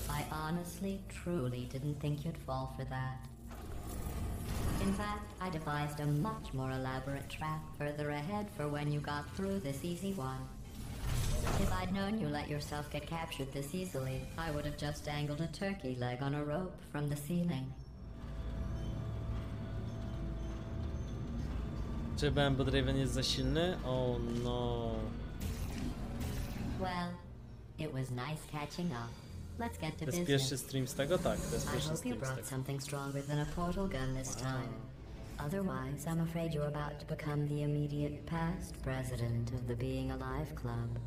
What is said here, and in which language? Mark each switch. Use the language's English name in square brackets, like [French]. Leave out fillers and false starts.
[English] Honestly, truly didn't think you'd fall for that. In fact, I devised a much more elaborate trap further ahead for when you got through this easy one. If I'd known you let yourself get captured this easily, I would have just dangled a turkey leg on a rope from the ceiling. [Polish] Czy Bambo Draven jest za silny? [English] Oh no. Well, it was nice catching up. Let's get to business. [Polish] Pierwszy stream z tego, tak. [English] I hope you brought something stronger than a portal gun this time. Otherwise, I'm afraid you're about to become the immediate past president of the Being Alive Club.